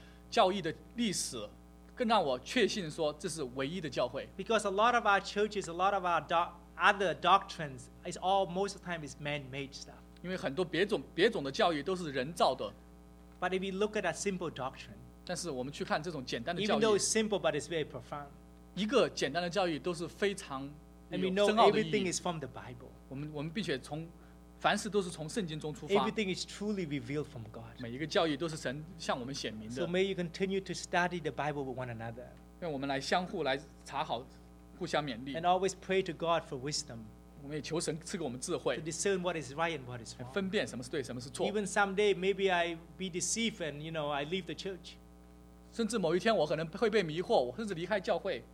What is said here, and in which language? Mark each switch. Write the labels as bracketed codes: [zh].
[zh] 我在台湾查好三个礼拜的教义的历史, 更让我确信说这是唯一的教会。 [en] Because a lot of our churches, a lot of our other doctrines is all most of the time is man-made stuff. [zh] 因为很多别种的教义都是人造的。 [en] But if you look at a simple doctrine, [zh] 但是我们去看这种简单的教义, [en] even though it's simple but it's very profound, [zh] 一个简单的教义都是非常有深奥的意义。 [en] And we know everything is from the Bible. [zh] 我们并且从凡事都是从圣经中出发。 [en] Everything is truly revealed from God. [zh] 每一个教义都是神向我们显明的。 [en] So may you continue to study the Bible with one another. [zh] 愿我们来相互来查好，互相勉励。 [en] And always pray to God for wisdom. [zh] 我们也求神赐给我们智慧。 [en] To discern what is right and what is wrong. [zh] 分辨什么是对，什么是错。 [en] Even someday maybe I be deceived and you know I leave the church. [zh] 甚至某一天我可能会被迷惑，我甚至离开教会。